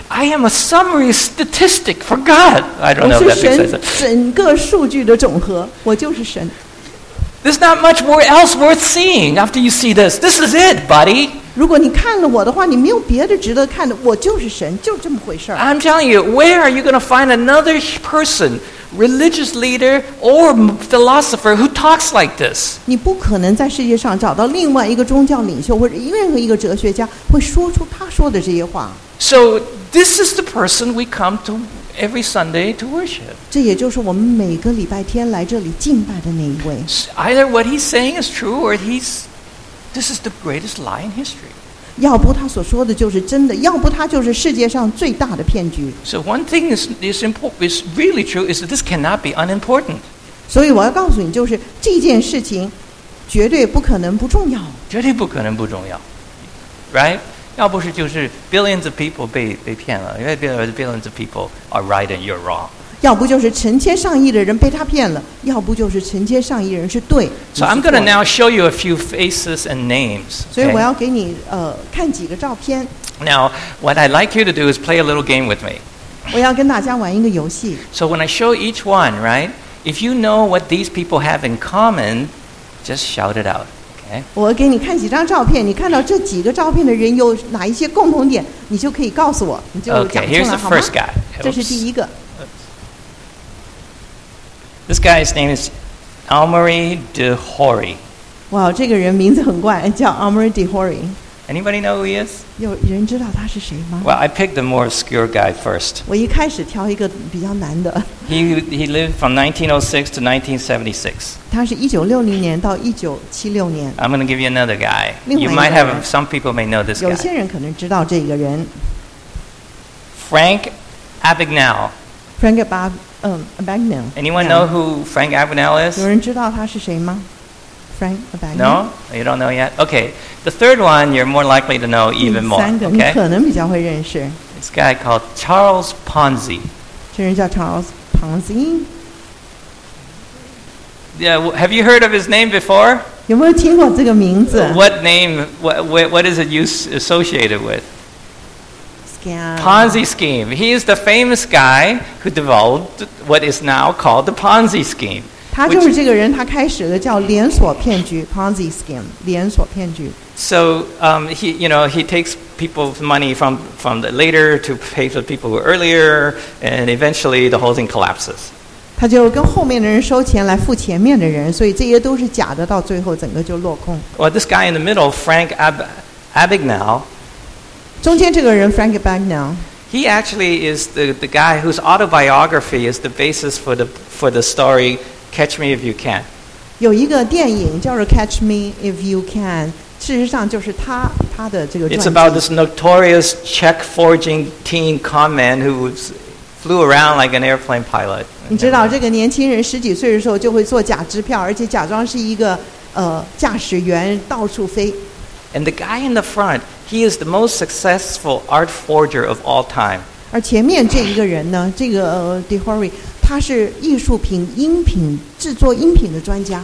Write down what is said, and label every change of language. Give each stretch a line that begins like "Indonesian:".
English: I am a summary statistic for God. I don't know if that makes sense.
Chinese: 我是神整个数据的总和。我就是神。
English: There's not much more else worth seeing after you see this. This is it, buddy.
Chinese: 如果你看了我的话，你没有别的值得看的。我就是神，就这么回事。
English: I'm telling you, where are you going to find another person, religious leader or philosopher who talks like this?
Chinese: 你不可能在世界上找到另外一个宗教领袖或者任何一个哲学家会说出他说的这些话。
English: So this is the person we come to. Every Sunday to worship.
Chinese: 这也就是我们每个礼拜天来这里敬拜的那一位。
English: Either what he's saying is true, or this is the greatest lie in history.
Chinese: 要不他所说的就是真的，要不他就是世界上最大的骗局。
English: So one thing is important, is really true, is that this cannot be unimportant.
Chinese: 所以我要告诉你，就是这件事情绝对不可能不重要，绝对不可能不重要 right？要不是就是
English: billions of people
Chinese: 被骗了，因为
English: billions of people are right and you're wrong。
Chinese: 要不就是成千上亿的人被他骗了，要不就是成千上亿人是对。
English: So I'm going to now show you a few faces and names.
Chinese: 所以我要给你看几个照片。
English: Now, what I'd like you to do is play a little game with me.
Chinese: 我要跟大家玩一个游戏。
English: So when I show each one, right? If you know what these people have in common, just shout it out. Okay?
Chinese: 我给你看几张照片，你看到这几个照片的人有哪一些共同点，你就可以告诉我，你就讲出来好吗？
English: Here's the first guy.
Chinese: 这是第一个。
English: This guy's name is Amaury Dehori.
Chinese: Wow, 这个人名字很怪，叫 Amaury Dehori.
English: Anybody know who he is?
Chinese: 有人知道他是谁吗？
English: Well, I picked the more obscure guy first.
Chinese: 我一开始挑一个比较难的。
English: He lived from 1906 to 1976.
Chinese: 他是1960年到1976年。
English: I'm going to give you another guy.
Chinese: 另外一个。
English: You might have, some people may know this guy.
Chinese: 有些人可能知道这个人。
English: Frank Abagnale. Frank Abagnale. Abagnale. Anyone know who Frank Abagnale is?
Chinese: 有人知道他是谁吗?Frank Abagnale.
English: No? You don't know yet? Okay. The third one, you're more likely to know even more.
Chinese: 第三个,
English: okay?
Chinese: 你可能比较会认识。
English: This guy called Charles Ponzi.
Chinese: 这人叫 Charles Ponzi?
English: Yeah, have you heard of his name before?
Chinese: 有没有听过这个名字?
English: What name, what is it associated with? Yeah. Ponzi scheme. He is the famous guy who developed what is now called the Ponzi scheme.
Chinese: 他就是这个人，他开始的叫连锁骗局 Ponzi scheme, 连锁骗局。
English: So he takes people's money from the later to pay for people who are earlier, and eventually the whole thing collapses.
Chinese: 他就跟后面的人收钱来付前面的人，所以这些都是假的，到最后整个就落空。
English: Well, this guy in the middle, Frank Abagnale.
Chinese: 中间这个人 Frank Abagnale,
English: he actually is the guy whose autobiography is the basis for the story Catch Me If You Can.
Chinese: 有一个电影叫做 Catch Me If You Can, 事实上就是他的这个传记。
English: It's about this notorious check forging teen con man who flew around like an airplane pilot.
Chinese: 你知道这个年轻人十几岁的时候就会做假支票，而且假装是一个驾驶员到处飞。
English: And the guy in the front, he is the most successful art forger of all time.
Chinese: 而前面这一个人呢，这个Dehori, 他是艺术品音品制作音品的专家。